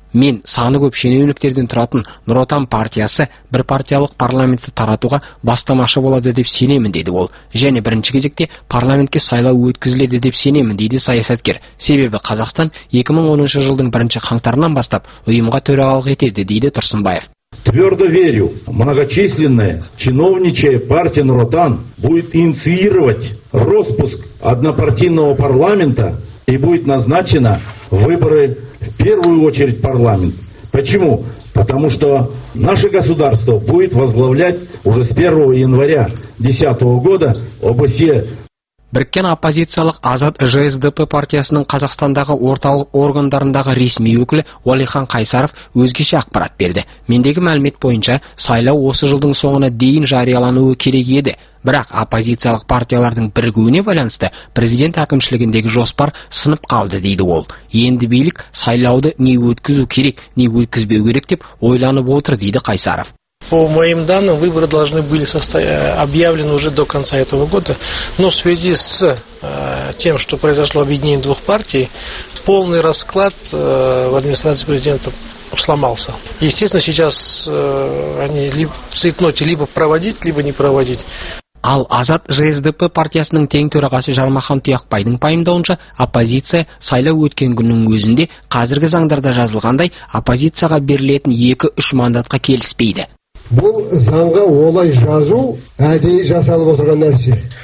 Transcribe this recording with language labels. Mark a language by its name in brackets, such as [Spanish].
[Kazakh] Мен саны көп шенеуніктерден тұратын Нұр Отан партиясы бір партиялық парламентті таратуға бастамашы болады деп сенемін, деді ол. Және бірінші кезекте парламентке сайлау өткізіледі деп сенемін, дейді саясаткер. Себебі Қазақстан 2010 жылдың 1 қаңтарынан бастап ұйымға төрағалық етеді, дейді Тұрсынбаев. [Russian] Твердо верю, многочисленная чиновничья партия Нұр Отан будет инициировать роспуск однопартийного парламента и будет назначена выборы в первую очередь парламент. Почему? Потому что наше государство будет возглавлять уже с 1 января 2010 года ОБСЕ. [Kazakh] Біріккен оппозициялық Азат ЖСДП партиясының Қазақстандағы орталық органдарындағы ресми өкілі Уалихан Қайсаров өзгеше ақпарат берді. Мендегі мәлімет бойынша сайлау осы жылдың соңына дейін жариялануы керек еді. Бірақ оппозициялық партиялардың бірігуіне байланысты президент әкімшілігіндегі жоспар сынып қалды, дейді ол. Енді билік сайлауды не өткізу керек, не өткізбеу керек деп ойланып отыр, дейді Қайсаров. [Russian] По моим данным, выборы должны были объявлены уже до конца этого года. Но в связи с тем, что произошло объединение двух партий, полный расклад в администрации президента сломался. Естественно, сейчас они в цейтноте либо проводить, либо не проводить. [Kazakh] Ал Азат ЖСДП партиясының тең төрағасы Жармахан Тұяқбайдың пайымдауынша, оппозиция сайлау өткен күннің өзінде қазіргі заңдарда жазылғандай оппозицияға берілетін 2-3 мандатқа келіспейді. Бұл заңға олай жазу әдейі жасалып отырған нәрсе.